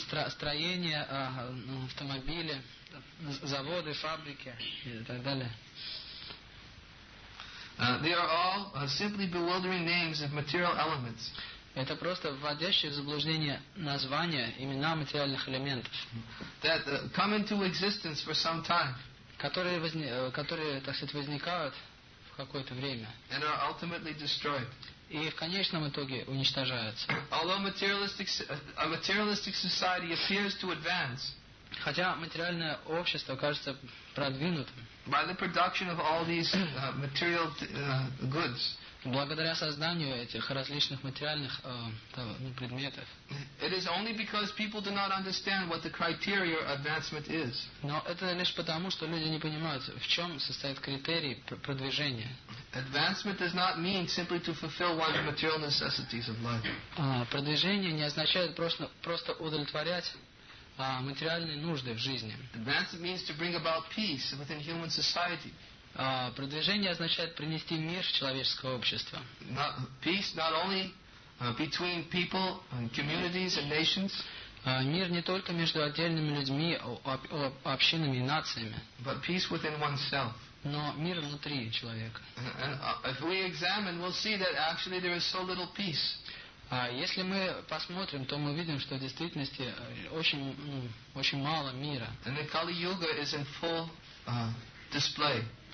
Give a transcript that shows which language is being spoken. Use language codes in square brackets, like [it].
[ru] Строения, автомобили, заводы, фабрики и так далее. [en] They are all simply bewildering names of material elements. [ru] Это просто вводящие в заблуждение названия, имена материальных элементов. [en] That come into existence for some time. [ru] Которые, так сказать, возникают в какое-то время. [en] And are ultimately destroyed. [ru] И в конечном итоге уничтожаются. [en] Although a materialistic society appears to advance. [ru] Хотя материальное общество кажется продвинутым. [en] By the production of all these material goods. [ru] Благодаря созданию этих различных материальных предметов. [en] It is only because people do not understand what the criteria of advancement is. [ru] Но это лишь потому, что люди не понимают, в чем состоит критерий продвижения. [en] Advancement does not mean simply to fulfill one's material necessities of life. [ru] Продвижение не означает просто удовлетворять материальные нужды в жизни. [en] Advancement means to bring about peace within human society. [ru] Продвижение означает принести мир в человеческое общество. [en] Peace not only between people and communities and nations. [ru] Мир не только между отдельными людьми, общинами и нациями. [en] But peace within oneself. [ru] Но мир внутри человека. [en] And if we examine, we'll see that actually there is so little peace. [ru] Если мы посмотрим, то мы видим, что в действительности очень мало мира. [en] And the Kali-Yuga is in full display.